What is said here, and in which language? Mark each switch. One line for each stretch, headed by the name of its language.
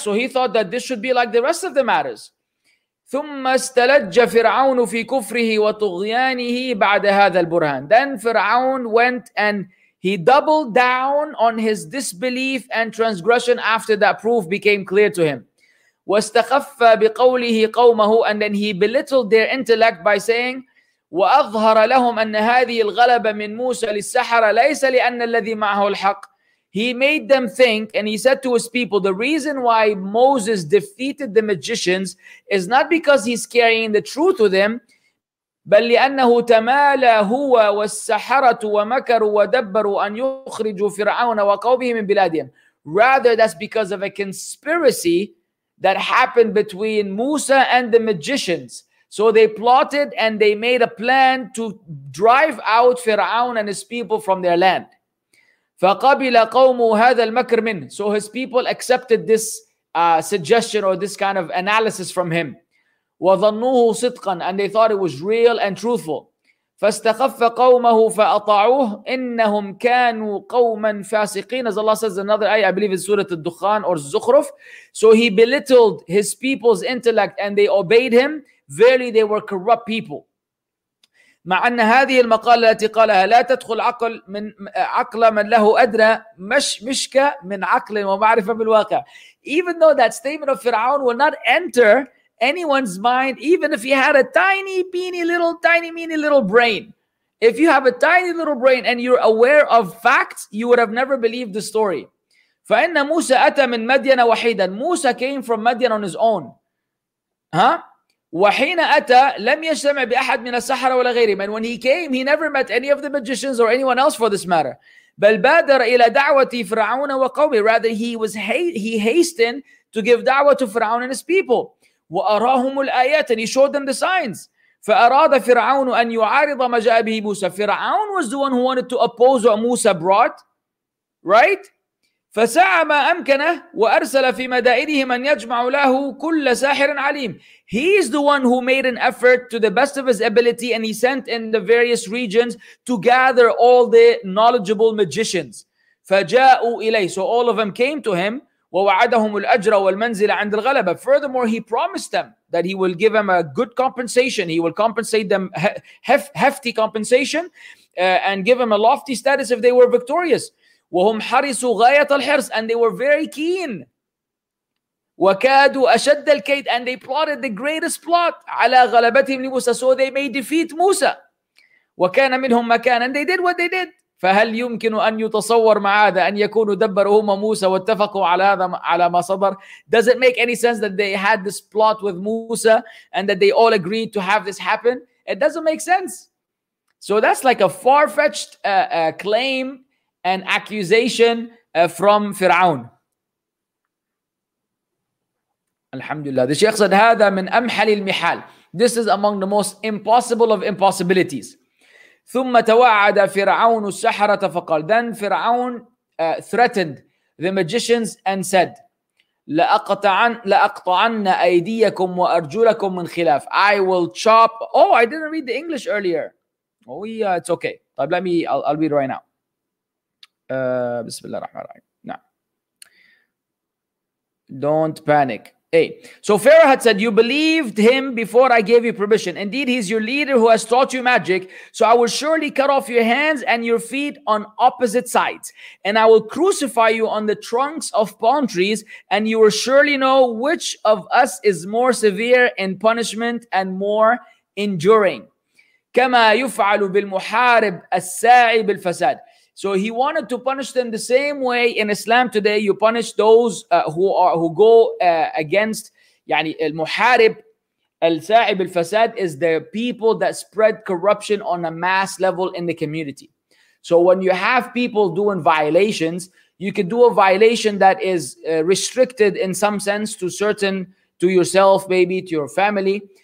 English: So he thought that this should be like the rest of the matters.
Arabic: ثُمَّ اسْتَلَجَّ فِرْعَوْنُ فِي كُفْرِهِ وَطُغْيَانِهِ بَعْدَ هَذَا الْبُرْهَانِ.
English: Then Fir'aun went and he doubled down on his disbelief and transgression after that proof became clear to him.
Arabic: وَاسْتَخَفَّ بِقَوْلِهِ قَوْمَهُ.
English: And then he belittled their intellect by saying,
Arabic: وَأَظْهَرَ لَهُمْ أَنَّ هَذِهِ الْغَلَبَ مِنْ مُوسَى لِلسَّحَرَ لَيْسَ لِأَنَّ الَّذِي مَعَهُ الْحَقِّ.
English: He made them think, and he said to his people, the reason why Moses defeated the magicians is not because he's carrying the truth with him,
Arabic: بَلْ لِأَنَّهُ تَمَالَ هُوَ وَالسَّحَرَةُ وَمَكَرُوا وَدَبَّرُوا أَنْ يُخْرِجُوا فِرْعَوْنَ وَقَوْمِهِ مِنْ بِلَادِهِمْ.
English: Rather, that's because of a conspiracy that happened between Musa and the magicians. So they plotted and they made a plan to drive out Fir'aun and his people from their land.
Arabic: فَقَبِلَ قَوْمُ هَذَا الْمَكْرِ مِنْ.
English: So his people accepted this suggestion or this kind of analysis from him.
Arabic: وَظَنُّوهُ صِدْقًا.
English: And they thought it was real and truthful.
Arabic: فَاسْتَخَفَّ قَوْمَهُ فَأَطَعُوهُ إِنَّهُمْ كَانُوا قَوْمًا فَاسِقِينَ.
English: As Allah says another ayah, I believe it's Surah Al-Dukhan or Zukhruf. So he belittled his people's intellect and they obeyed him. Verily, they were corrupt people.
Arabic: مع أن هذه المقالة التي قالها لا تدخل عقل من عقل من له أدنى مش مشك من عقل ومعرفة بالواقع.
English: Even though that statement of Fir'aun will not enter anyone's mind, even if he had a tiny, beany, little, tiny, meany, little brain. If you have a tiny little brain and you're aware of facts, you would have never believed the story.
Arabic: فإن موسى أتى من مدين وحيدا.
English: Musa came from Madian on his own. Huh?
Arabic: وحين أتى لم يجتمع بأحد من السحرة ولا غيرهم.
English: And when he came, he never met any of the magicians or anyone else for this matter.
Arabic: بل بادر إلى دعوة فرعون وقومه.
English: Rather, he hastened to give دعوة to فرعون and his people.
Arabic: وأراهم الآيات.
English: And he showed them the signs.
Arabic: فأراد فرعون أن يعارض ما جاء به موسى.
English: فرعون was the one who wanted to oppose what Musa brought. Right? ف
Arabic: فسعى ما أمكنه وأرسل في مدائنه من يجمع له كل ساحر عليم.
English: He is the one who made an effort to the best of his ability and he sent in the various regions to gather all the knowledgeable magicians.
Arabic: فجاءوا إليه.
English: So all of them came to him.
Arabic: ووعدهم الأجر والمنزل عند الغلبة.
English: Furthermore, he promised them that he will give them a good compensation. He will compensate them hefty compensation and give them a lofty status if they were victorious.
Arabic: وهم حرسوا غاية الحرس,
English: and they were very keen.
Arabic: وكادوا أشد الكيد,
English: and they plotted the greatest plot
Arabic: على غلبتهم لموسى,
English: so they may defeat موسى.
Arabic: وكان منهم مكان,
English: and they did what they did.
Arabic: فهل يمكن أن يتصور مع هذا أن يكونوا دبروا هم موسى واتفقوا على هذا على ما صدر؟
English: Does it make any sense that they had this plot with Musa and that they all agreed to have this happen? It doesn't make sense. So that's like a far-fetched claim and accusation from فرعون.
Arabic: الحمد لله. الشيخ يقصد هذا من أمحل المحال.
English: This is among the most impossible of impossibilities.
Arabic: ثم توعد فرعون السحرة فقال.
English: Then فرعون threatened the magicians and said,
Arabic: لأقطعن أيديكم وأرجلكم من خلاف.
English: I will chop. Oh, I didn't read the English earlier. Oh yeah, it's okay. طيب, let me. I'll read right now.
Arabic: بسم الله الرحمن الرحيم.
English: نعم. Don't panic. Hey, so Pharaoh had said, you believed him before I gave you permission. Indeed, he's your leader who has taught you magic. So I will surely cut off your hands and your feet on opposite sides. And I will crucify you on the trunks of palm trees. And you will surely know which of us is more severe in punishment and more enduring.
Arabic: كما يفعل بالمحارب الساعي بالفساد.
English: So he wanted to punish them the same way in Islam today you punish those who go against
Arabic: يعني المحارب الساعي بالفساد
English: is the people that spread corruption on a mass level in the community. So when you have people doing violations, you can do a violation that is restricted in some sense to certain, to yourself maybe, to your family.